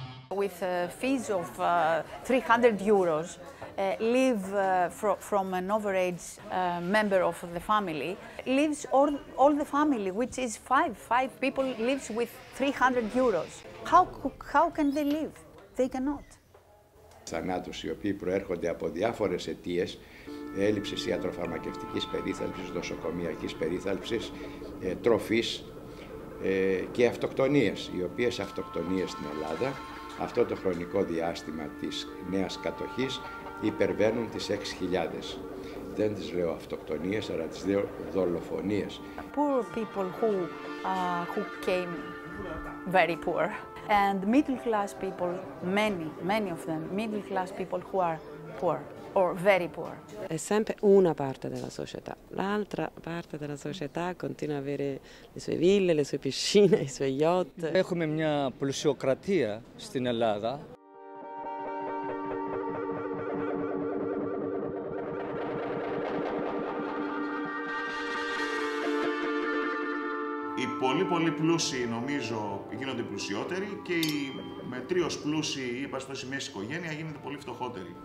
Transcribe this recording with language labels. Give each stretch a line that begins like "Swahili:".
English: With a fees of 300 euros, live from an overage member of the family, lives all the family, which is five people, lives with 300 euros. How can they live? They cannot.
Greek: Θανάτους οι οποίοι προέρχονται από διάφορες αιτίες, έλλειψης ιατροφαρμακευτικής περίθαλψης, νοσοκομιακής περίθαλψης, τροφής και αυτοκτονίες, οι οποίες αυτοκτονίες στην Ελλάδα αυτό το χρονικό διάστημα της νέας κατοχής υπερβαίνουν τις 6.000. Δεν τις λέω αυτοκτονίες, αλλά τις λέω δολοφονίες.
English: Poor people who came very poor and middle class people, many of them, middle class people who are poor or very poor.
Italian: È sempre una parte della società. L'altra parte della società continua ad avere le sue ville, le sue piscine, i suoi yacht.
Greek: Έχουμε μια πλουσιοκρατία στην Ελλάδα. Οι πολύ πολύ πλούσιοι νομίζω γίνονται πλουσιότεροι και οι μετρίως πλούσιοι ή παστός η μέση οικογένεια γίνεται πολύ φτωχότεροι.